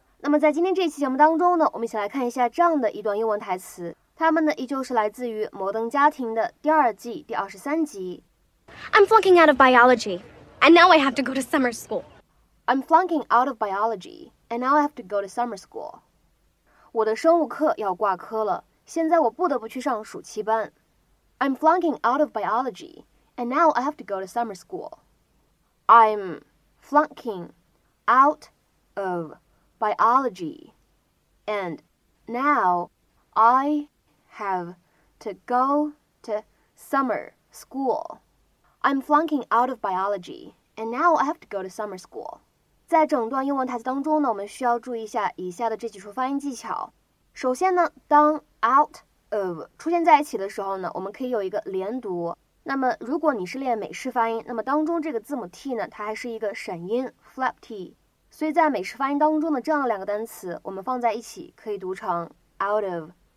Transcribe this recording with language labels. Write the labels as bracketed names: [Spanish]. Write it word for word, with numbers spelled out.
[Chinese] 那么在今天这一期节目当中呢，我们一起来看一下这样的一段英文台词。他们呢依旧是来自于摩登家庭的第二季第二十三集。 [English] I'm flunking out of biology, and now I have to go to summer school. I'm flunking out of biology, and now I have to go to summer school. [Chinese] 我的生物课要挂科了，现在我不得不去上暑期班。 [English] I'm flunking out of biology, and now I have to go to summer school. I'm flunking out of biology, and now I... have to go to summer school. I'm flunking out of biology, and now I have to go to summer school. [Chinese] 在整段英文台词当中呢，我们需要注意一下以下的这几处发音技巧。首先呢，当 out of 出现在一起的时候呢，我们可以有一个连读。那么如果你是练美式发音，那么当中这个字母 t 呢，它还是一个闪音 flap t，所以在美式发音当中的这样的两个单词，我们放在一起可以读成 out of。